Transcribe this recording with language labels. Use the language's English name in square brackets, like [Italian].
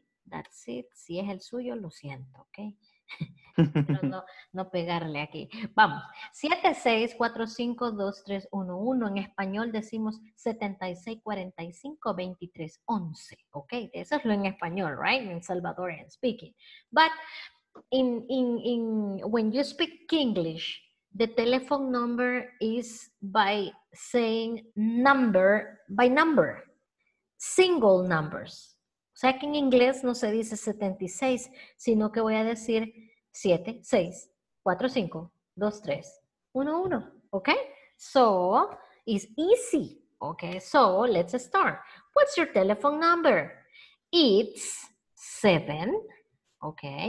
[English] That's it, [Spanish] si es el suyo, lo siento, ¿ok? Pero no pegarle aquí. Vamos, 7645-2311, en español decimos 7645-2311, ok, eso es lo en español, right, en [English] Salvadorian speaking. But, in when you speak English, the telephone number is by saying number, by number, single numbers. [Spanish] O sea que en inglés no se dice 76, sino que voy a decir 7, 6, 4, 5, 2, 3, 1, 1. [English] ¿Ok? So, it's easy. ¿Ok? So, let's start. What's your telephone number? It's 7. ¿Ok?